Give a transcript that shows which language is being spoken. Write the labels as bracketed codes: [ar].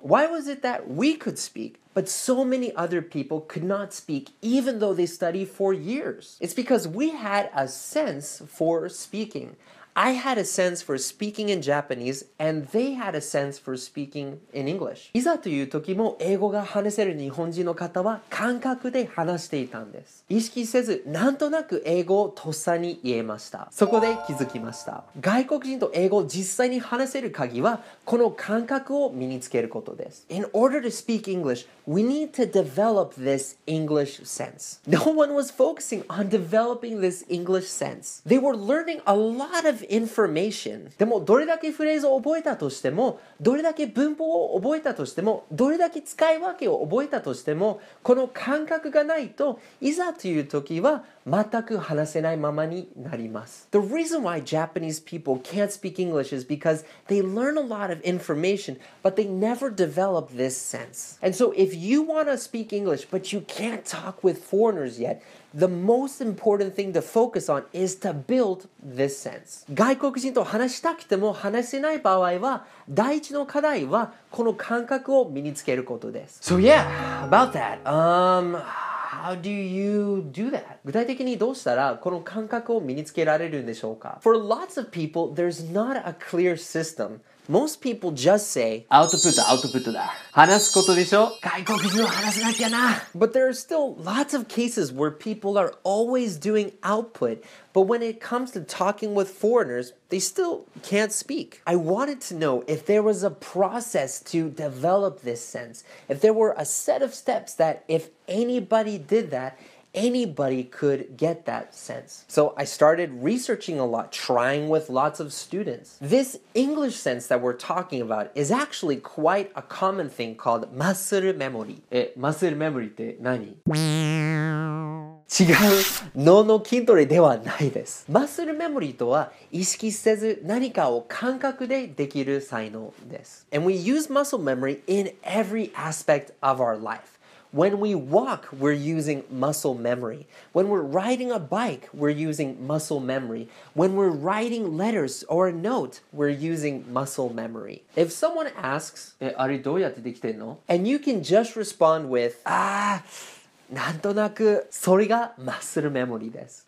[en] Why was it that we could speak? But so many other people could not speak even though they studied for years. It's because we had a sense for speaking. I had a sense for speaking in Japanese, and they had a sense for speaking in English. [ja] いざという時も英語が話せる日本人の方は感覚で話していたんです。意識せず、なんとなく英語をとっさに言えました。そこで気づきました。外国人と英語を実際に話せる鍵は、この感覚を身につけることです。 [en] In order to speak English, we need to develop this English sense. No one was focusing on developing this English sense. They were learning a lot of information. [ja] でもどれだけフレーズを覚えたとしても、どれだけ文法を覚えたとしても、どれだけ使い分けを覚えたとしても、この感覚がないと、いざという時は全く話せないままになります。 [en] The reason why Japanese people can't speak English is because they learn a lot of information, but they never develop this sense. And so if you want to speak English, but you can't talk with foreigners yet,The most important thing to focus on is to build this sense. [ja] 外国人と話したくても話せない場合は、第一の課題はこの感覚を身につけることです。 [en] So yeah, about that. How do you do that? [ja] 具体的にどうしたらこの感覚を身につけられるんでしょうか? [en] For lots of people, there's not a clear system. Most people just say, [ja] アウトプットだ。話すことでしょ? 外国人を話せなきゃな。 [en] But there are still lots of cases where people are always doing output, but when it comes to talking with foreigners, they still can't speak. I wanted to know if there was a process to develop this sense, if there were a set of steps that if anybody did that,Anybody could get that sense. So I started researching a lot, trying with lots of students. This English sense that we're talking about is actually quite a common thing called muscle memory. [ja] Muscle memory って何?違う。脳の筋トレではないです。マッスルメモリーとは、意識せず何かを感覚でできる才能です。 [en] And we use muscle memory in every aspect of our life. When we walk, we're using muscle memory. When we're riding a bike, we're using muscle memory. When we're writing letters or a note, we're using muscle memory. If someone asks, [ja] あれどうやってできてんの? [en] And you can just respond with, [ja] なんとなくそれがマッスルメモリーです。